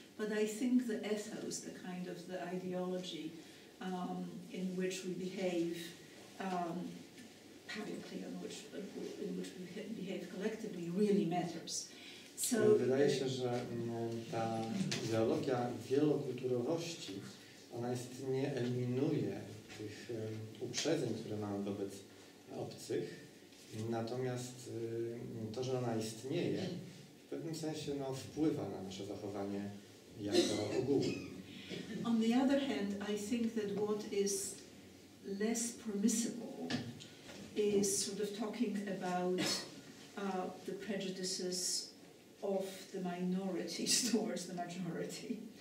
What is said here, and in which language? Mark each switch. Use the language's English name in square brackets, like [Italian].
[English] But I think the ethos, the kind of the ideology in which we behave publicly, in which we behave collectively, really matters. [Polish] So, wydaje się, że ta ideologia wielokulturowości, ona niestety nie eliminuje tych uprzedzeń, które mamy wobec obcych. Natomiast to, że ona istnieje, w pewnym sensie wpływa na nasze zachowanie jako ogół. [English] On the other hand, I think that what is less permissible is sort of talking about the prejudices of the minorities towards the majority.